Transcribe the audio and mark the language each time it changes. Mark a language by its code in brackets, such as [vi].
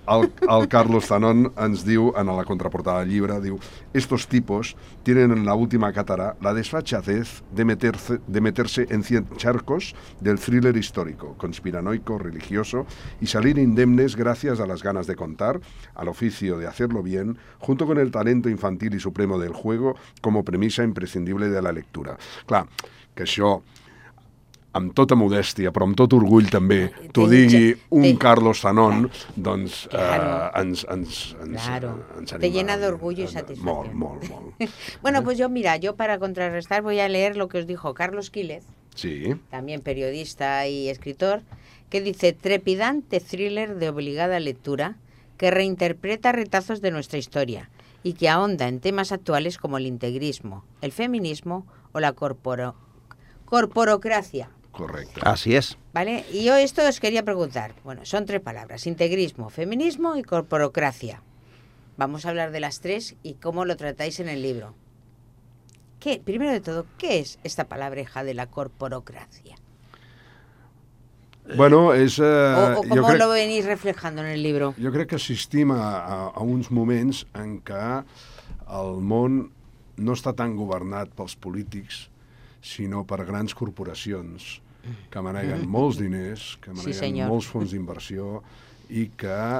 [ca] El Carlos Zanon ens diu, en la contraportada del llibre, diu, [es] estos tipos tienen en la última cátedra la desfachatez de meterse en 100 charcos del thriller histórico, conspiranoico, religioso, y salir indemnes gracias a las ganas de contar, al oficio de hacerlo bien, junto con el talento infantil y supremo del juego como premisa imprescindible de la lectura. [ca] Clar, que això... amb tota modèstia, però amb tot orgull també, t'ho digui un Carlos Zanon, doncs ens anima. [es] Te llena [ca] d'orgull i satisfacció. Molt, molt, molt. [es] Bueno, pues yo, mira, yo para contrarrestar voy a leer lo que os dijo Carlos Quílez, sí, también periodista y escritor, que dice, trepidante thriller de obligada lectura que reinterpreta retazos de nuestra historia y que ahonda en temas actuales como el integrismo, el feminismo o la corporocracia. Correcto. Así es. Vale, y yo esto os quería preguntar. Bueno, son tres palabras: integrismo, feminismo y corporocracia. Vamos a hablar de las tres y cómo lo tratáis en el libro. ¿Qué, primero de todo, qué es esta palabreja de la corporocracia? Bueno, es... ¿O cómo lo venís reflejando en el libro? [ca] Yo creo que asistim a uns moments en què el món no està tan governat pels polítics, sinó per grans corporacions, que maneguen molts diners, que maneguen molts fons d'inversió i que,